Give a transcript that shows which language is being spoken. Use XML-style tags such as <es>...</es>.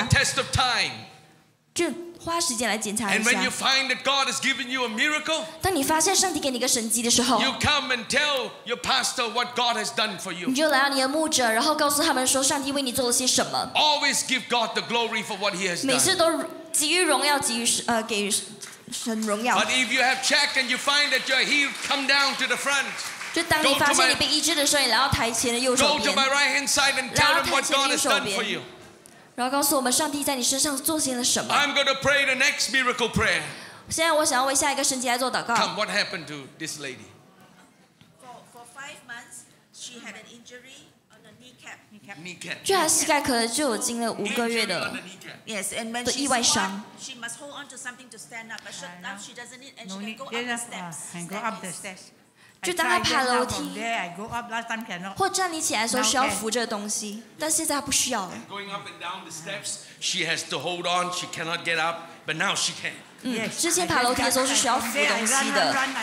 <en>You take the test of time，</en> <zh>就花时间来检查一下。</zh> <en>And when you find that God has given you a miracle，</en> <zh>当你发现上帝给你一个神迹的时候</zh> <en>，You come and tell your pastor what God has done for you。</en> <zh>你就来到你的牧者，然后告诉他们说上帝为你做了些什么。</zh> <en>Always give God the glory for what He has done。</en> <zh>每次都给予荣耀，给予给神荣耀。</zh> <en>But if you have checked and you find that you're healed， come down to the front。</en> <zh>就当你发现你被医治的时候，你来到台前的右手边。</zh> <en>Go to my right hand side and tell them what God has done for you。</en> <zh>然后告诉我们上帝在你身上做些了什么。</zh> <en>I'm going to pray the next miracle prayer。</en> <zh>现在我想要为下一个神迹来做祷告。</zh> <en>Come, what happened to this lady? For 5 months, she had an injury on the kneecap. Kneecap.</en> <zh>就她膝盖可能就有经了五个月的。</zh> <en>Yes, and when she's</en> <zh>的意外伤。</zh> <en>She must hold on to something to stand up, but now she doesn't need, and she can go up the steps.</en> <zh>就当他爬楼梯</zh> <en>there,</en> <zh>或站立起来的时候需要扶着东西，但现在他不需要了。</zh> <en>Going up and down the steps, she has to hold on. She cannot get up, but now she can.</en> <zh>之前爬楼梯的时候是需要扶东西的，</zh>